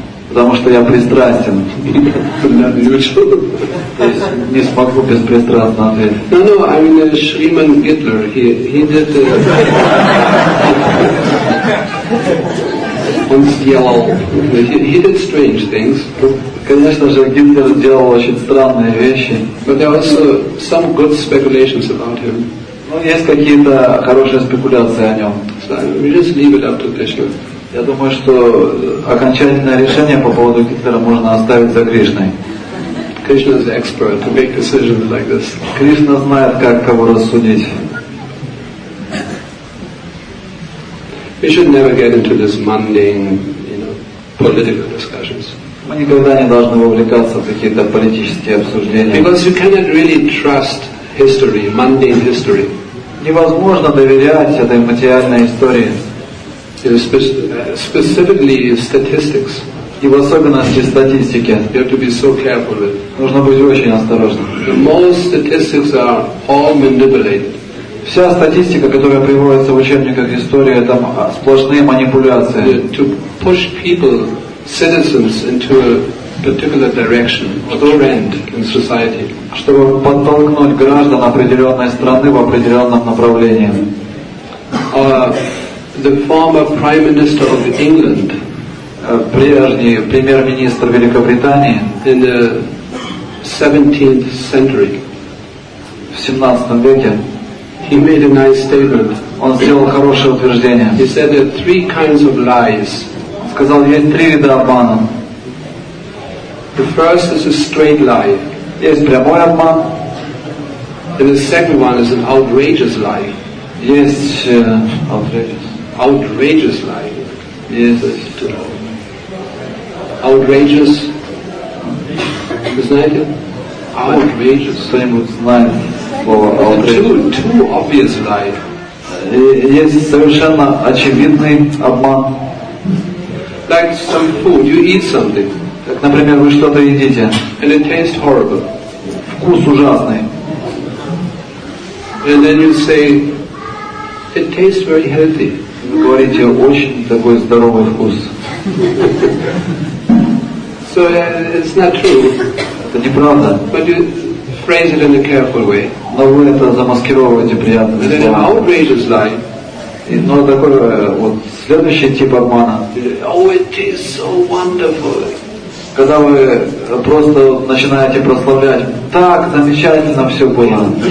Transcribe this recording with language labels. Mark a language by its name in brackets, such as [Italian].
[Russian] Потому что я пристрастен. Не смогу беспристрастно ответить. [English] No, I mean Shriman Gittler. He did. [Russian] Он сделал. [English] He did strange things. [Russian] Конечно же, Гитлер делал очень странные вещи. [English] But there are also some good speculations about him. [Russian] Но есть какие-то хорошие спекуляции о нем. [English] So we just leave it up to Krishna. [Russian] Я думаю, что окончательное решение по поводу Гитлера можно оставить за Кришной. [English] Krishna is expert to make decisions like this. [Russian] Кришна знает, как кого рассудить. [English] We should never get into this mundane, you know, political discussions. [Russian] Мы никогда не должны вовлекаться в какие-то политические обсуждения. [English] Because you cannot really trust history, mundane history. [Russian] Невозможно доверять этой материальной истории. [English] Specifically statistics. [Russian] И в особенности статистики. [English] You have to be so careful with. [Russian] Нужно быть очень осторожным. [English] The most statistics are all manipulated. [Russian] Вся статистика, которая приводится в учебниках истории, это сплошные манипуляции. [English] To push people, citizens, into a particular direction or trend in society. [Russian] Чтобы подтолкнуть граждан определенной страны в определенном направлении. [English] The former Prime Minister of England, [Russian] прежний премьер-министр Великобритании, [English] in the 17th century, [Russian] в 17 веке, [English] he made a nice statement. [Russian] Он сделал хорошее утверждение. [English] He said there are three kinds of lies. [Russian] Он сказал, есть три вида обмана. [English] The first is a straight lie. [Russian] Есть прямой обман. [English] And the second one is an outrageous lie. [Russian] Есть outrageous [English] lie. Yes. Outrageous. [Russian] Знаете? [English] Outrageous. [Russian] Кто-нибудь знает? [English] Two obvious lies. [Russian] Есть совершенно очевидный обман. [English] Like some food, you eat something. [Russian] Как, например, вы что-то едите. [English] And it tastes horrible. [Russian] Вкус ужасный. [English] And then you say, it tastes very healthy. [Russian] Вы говорите, очень такой здоровый вкус. [English] So it's not true. [Russian] Это неправда. [English] But you phrase it in a careful way. [Russian] Но вы это замаскировываете приятным словом. [English] An outrageous lie. [Russian] Но такой вот следующий тип обмана. [English] Oh, it is so wonderful. [Russian] Когда вы просто начинаете прославлять, так замечательно все было.